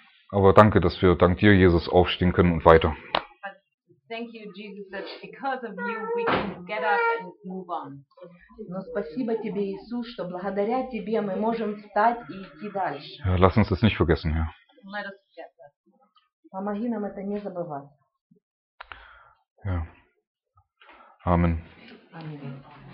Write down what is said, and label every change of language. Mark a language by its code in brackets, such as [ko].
[de] Aber danke, dass wir dank dir, Jesus, aufstehen können und weiter. [en] Thank you, Jesus, that because of you we can get up and move on. [ru] Но спасибо тебе, Иисус, что благодаря тебе мы можем встать и идти дальше. [de] Ja, lass uns das nicht vergessen, Herr. [en] Let us forget that. [ru] Помоги нам это не забывать. [de] Ja. Amen. Amen.